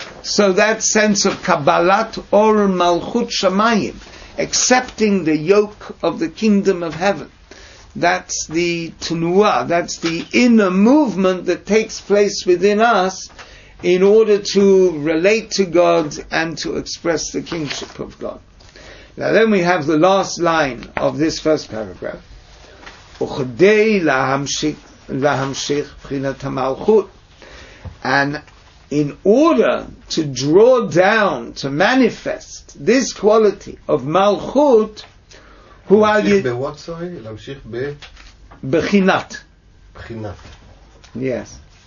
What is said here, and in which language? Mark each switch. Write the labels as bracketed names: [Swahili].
[English] So that sense of Kabbalat or Malchut Shamayim, accepting the yoke of the kingdom of heaven, that's the tenua, that's the inner movement that takes place within us in order to relate to God and to express the kingship of God. Now then we have the last line of this first paragraph. [Hebrew] וכדי להמשיך בחינת המלכות. [English] And in order to draw down, to manifest this quality of Malchut, who are you? What, sorry? [Hebrew] להמשיך ב... בחינת. בחינת. [English] Yes.